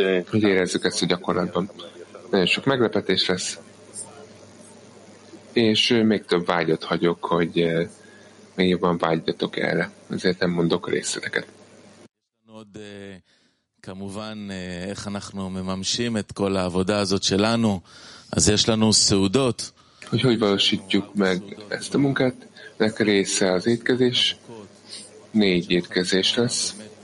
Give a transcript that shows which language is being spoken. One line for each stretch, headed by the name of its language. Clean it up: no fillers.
Hungarian: Hogy érezzük ezt a gyakorlatban. Nagyon sok meglepetés lesz. És még több vágyat hagyok, hogy még jobban vágyjatok erre. Azért nem mondok részleteket.
Hebrew: כמובן, איך אנחנו מממשים את כל העבודה הזאת שלנו, אז יש לנו סעודות.
Hungarian: Hogy valósítjuk meg ezt a munkát, nek része az étkezés, négy étkezés lesz.